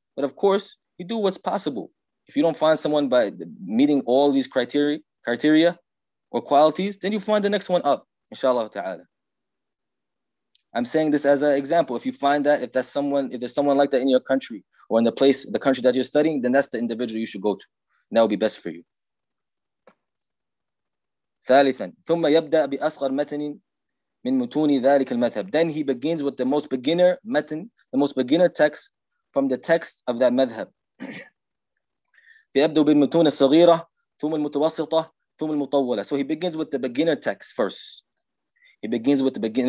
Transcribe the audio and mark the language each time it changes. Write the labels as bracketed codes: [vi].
[en] But of course you do what's possible. If you don't find someone by meeting all these criteria or qualities, then you find the next one up, inshallah ta'ala. I'm saying this as an example. If you find that, if there's someone like that in your country or in the country that you're studying, then that's the individual you should go to. And that would be best for you. [ar] ثالثاً ثم يبدأ بأصغر متن من متون ذلك المذهب. [en] Then he begins with the most beginner متن, the most beginner text from the text of that madhab. [ar] فيبدأ بالمتون الصغيرة ثم المتوسطة ثم المطولة. [en] So he begins with the beginner text first. It begins with the beginning.